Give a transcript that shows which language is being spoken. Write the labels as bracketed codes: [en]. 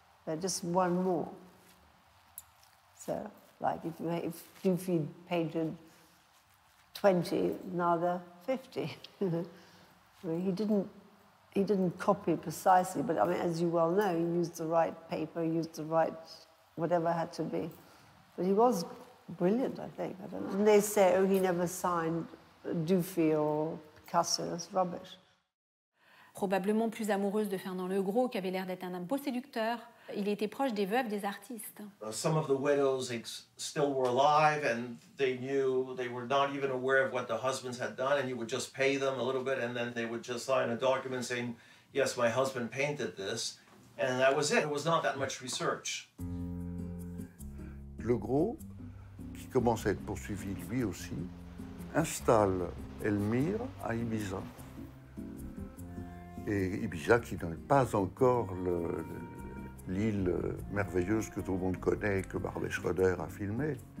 [en] They're just one more. So, like, if Dufy painted 20, now they're 50. I mean, he didn't copy precisely, but I mean, as you well know, he used the right paper, he used the right whatever had to be. But he was brilliant, I think. I don't know. And they say, oh, he never signed Dufy or Picasso. That's rubbish. [fr] Probablement plus amoureuse de Fernand Le Gros, qui avait l'air d'être un homme beau séducteur. Il était proche des veuves des artistes. [en] Some of the widows still were alive, and they knew they were not even aware of what the husbands had done, and you would just pay them a little bit, and then they would just sign a document saying, yes, my husband painted this, and that was it. It was not that much research. [fr] Le Gros, qui commence à être poursuivi lui aussi, installe Elmyr à Ibiza. Et Ibiza, qui n'est pas encore l'île merveilleuse que tout le monde connaît, que Barbet Schroeder a filmée.